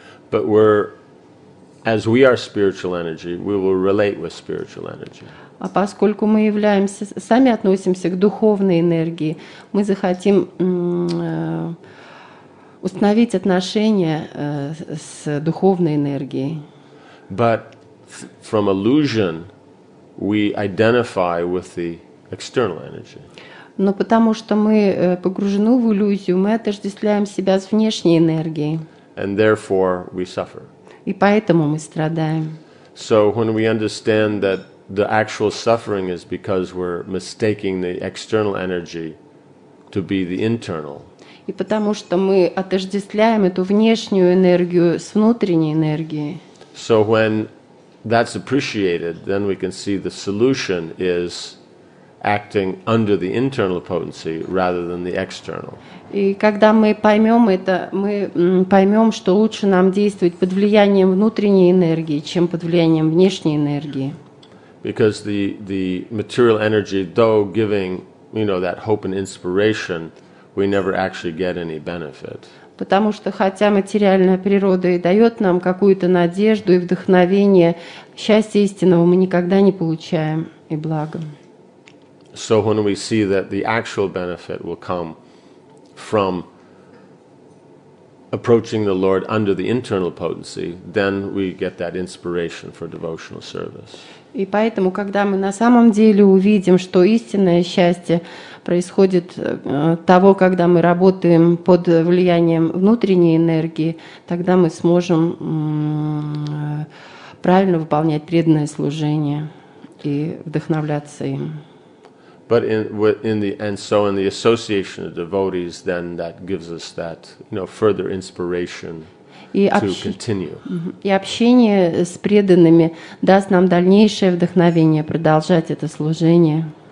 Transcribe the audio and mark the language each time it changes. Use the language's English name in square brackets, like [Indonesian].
[English] But we're, as we are spiritual energy, we will relate with spiritual energy. [Russian] А поскольку мы являемся, сами относимся к духовной энергии, мы захотим установить отношения с духовной энергией. [English] But from illusion, we identify with the external energy. [Russian] Но потому что мы погружены в иллюзию, мы отождествляем себя с внешней энергией. [English] And therefore we suffer. [Russian] И поэтому мы страдаем. [English] So when we understand that the actual suffering is because we're mistaking the external energy to be the internal. [Russian] И потому что мы отождествляем эту внешнюю энергию с внутренней энергией. [English] So when that's appreciated, then we can see the solution is acting under the internal potency rather than the external. [Russian] И когда мы поймем это, мы поймем, что лучше нам действовать под влиянием внутренней энергии, чем под влиянием внешней энергии. [English] Because the material energy, though giving, you know, that hope and inspiration, we never actually get any benefit. [Russian] Потому что хотя материальная природа и дает нам какую-то надежду и вдохновение, счастья истинного мы никогда не получаем и благо. [English] So when we see that the actual benefit will come from approaching the Lord under the internal potency, then we get that inspiration for devotional service. [Russian] И поэтому, когда мы на самом деле увидим, что истинное счастье происходит того, когда мы работаем под влиянием внутренней энергии, тогда мы сможем правильно выполнять преданное служение и вдохновляться им. [English] But in the association of devotees, then that gives us that, you know, further inspiration to continue. [Russian] И общение с преданными даст нам дальнейшее вдохновение продолжать это служение.